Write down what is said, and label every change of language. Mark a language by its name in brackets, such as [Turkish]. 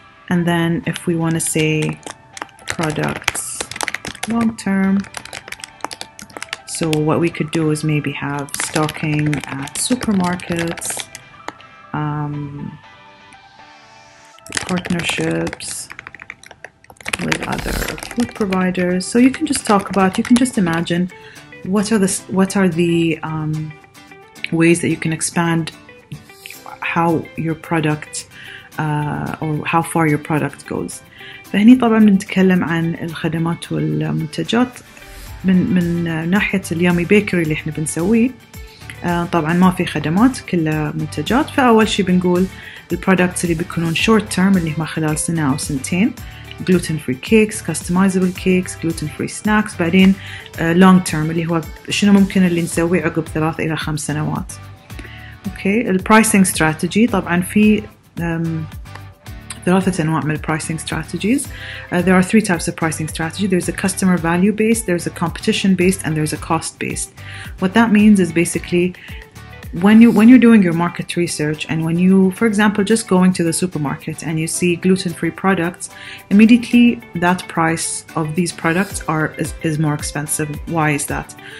[English] And then if we want to say products long term, so what we could do is maybe have stocking at supermarkets, partnerships with other food providers. So you can just talk about, you can just imagine what are the ways that you can expand how your product or how far your product goes. [Arabic] فهني طبعا بنتكلم عن الخدمات والمنتجات من ناحية اليامي بيكري اللي احنا بنسويه. طبعا ما في خدمات, كلها منتجات. فأول شي بنقول البرودكتس اللي بيكونون short term اللي هما خلال سنة أو سنتين, [English] gluten-free cakes, customizable cakes, gluten-free snacks. [Arabic] بعدين long-term اللي هو شنو ممكن اللي نسوي عقب 3 إلى 5 سنوات. [English] Okay, the pricing strategy. [Arabic] طبعا في ثلاثة أنواع من [English] the pricing strategies. There are three types of pricing strategy. There's a customer value based, there's a competition based, and there's a cost based. What that means is basically when you're doing your market research, and when you, for example, just going to the supermarket and you see gluten-free products, immediately that price of these products is more expensive. Why is that?